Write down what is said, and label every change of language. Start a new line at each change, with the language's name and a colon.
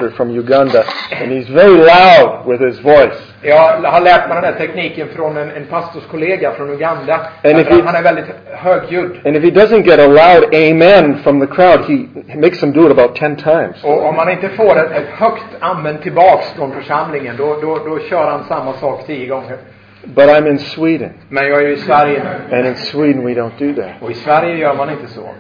English: from Uganda, and he's very loud with his voice.
Swedish: Jag har lärt mig den här tekniken från en pastorskollega från Uganda. Han är väldigt högljudd.
English: And if he doesn't get a loud amen from the crowd, he makes them do it about 10 times.
Swedish: Och om man inte får ett högt amen tillbaks från församlingen, då kör han samma sak 10 gånger.
English: But I'm in Sweden.
Swedish: Men jag är ju i Sverige.
English: And in Sweden we don't do that.
Swedish: Och i Sverige gör man inte så.